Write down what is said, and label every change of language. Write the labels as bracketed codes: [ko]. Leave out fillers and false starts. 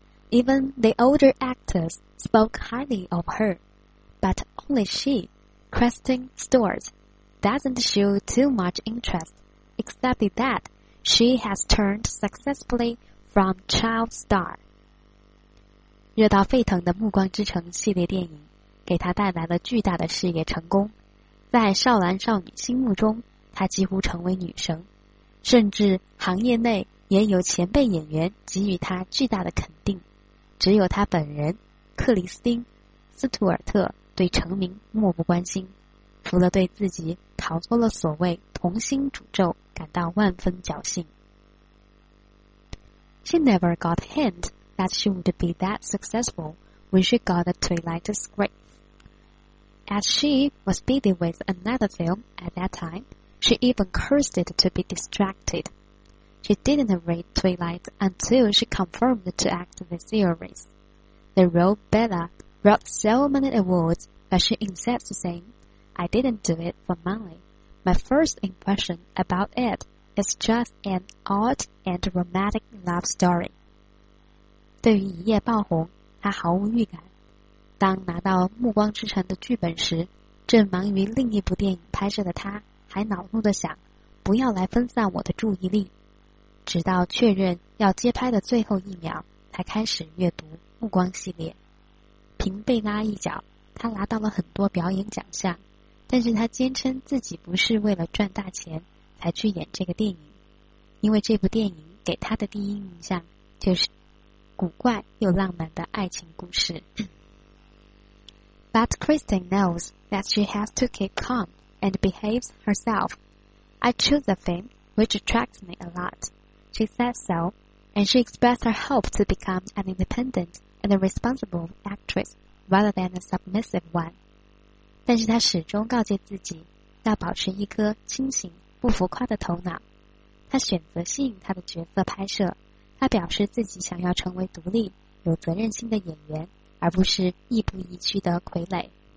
[en] Even the older actors spoke highly of her. But only she, Kristen Stewart, doesn't show too much interest, except that she has turned successfully from child star. [zh] 热到沸腾的《暮光之城》系列电影给她带来了巨大的事业成功，在少男少女心目中她几乎成为女神，甚至行业内也有前辈演员给予她巨大的肯定，只有她本人克里斯汀·斯图尔特对成名漠不关心，除了对自己逃脱了所谓童星诅咒感到万分侥幸。 [en] She never got a hint that she would be that successful when she got the Twilight script. As she was busy with another film at that time, she even cursed it to be distracted. She didn't read Twilight until she confirmed to act the series. The role Bella wrote so many awards, but she insists saying, I didn't do it for money. My first impression about it is just an odd and romantic love story. [zh] 对于一夜爆红，她毫无预感。当拿到《暮光之城》的剧本时，正忙于另一部电影拍摄的她还恼怒地想，不要来分散我的注意力。直到确认要接拍的最后一秒，才开始阅读《暮光》系列。凭贝拉一角，她拿到了很多表演奖项，但是她坚称自己不是为了赚大钱才去演这个电影，因为这部电影给她的第一印象就是古怪又浪漫的爱情故事。 [en] But Kristen knows that she has to keep calm and behaves herself. I choose a film which attracts me a lot. She said so, and she expressed her hope to become an independent and a responsible actress rather than a submissive one. [zh] 但是她始终告诫自己要保持一颗清醒不浮夸的头脑。她选择吸引她的角色拍摄，她表示自己想要成为独立有责任心的演员，而不是亦步亦趋的傀儡。